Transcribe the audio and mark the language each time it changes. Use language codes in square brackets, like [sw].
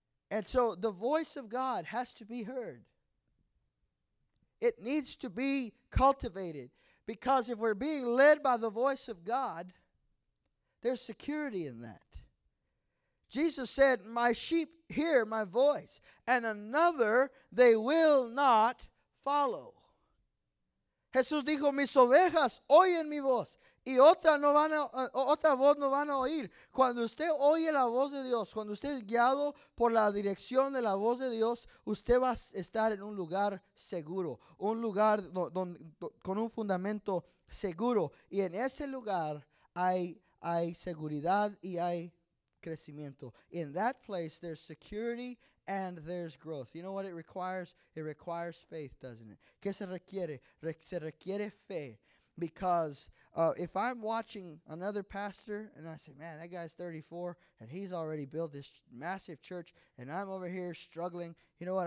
[en] And so the voice of God has to be heard. It needs to be cultivated, because if we're being led by the voice of God, there's security in that. Jesus said, "My sheep hear my voice, and another they will not follow." [es] Jesús dijo, "Mis ovejas oyen mi voz, y otra voz no van a oír." Cuando usted oye la voz de Dios, cuando usted es guiado por la dirección de la voz de Dios, usted va a estar en un lugar seguro, un lugar con un fundamento seguro. Y en ese lugar hay seguridad y hay crecimiento. [en] In that place, there's security and there's growth. You know what it requires? It requires faith, doesn't it? [es] ¿Qué se requiere? Se requiere fe. [en] Because if I'm watching another pastor and I say, man, that guy's 34 and he's already built this massive church and I'm over here struggling, you know what?